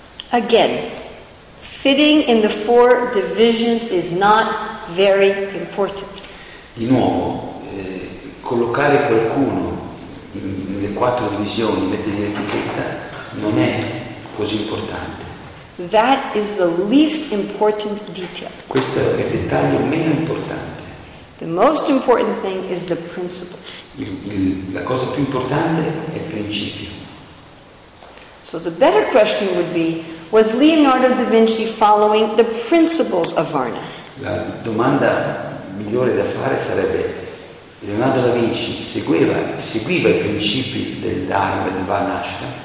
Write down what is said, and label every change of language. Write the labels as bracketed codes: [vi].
[en] Again, fitting in the four divisions is not very important. [it] Di nuovo, collocare qualcuno in le quattro divisioni, mettere l'etichetta, non è così importante. [en] That is the least important detail. [it] Questo è il dettaglio meno importante. [en] The most important thing is the principles. [it] La cosa più importante è il principio. [en] So the better question would be, was Leonardo da Vinci following the principles of Varna? [it] La domanda migliore da fare sarebbe, Leonardo da Vinci seguiva i principi del Dharma, del Varnashram?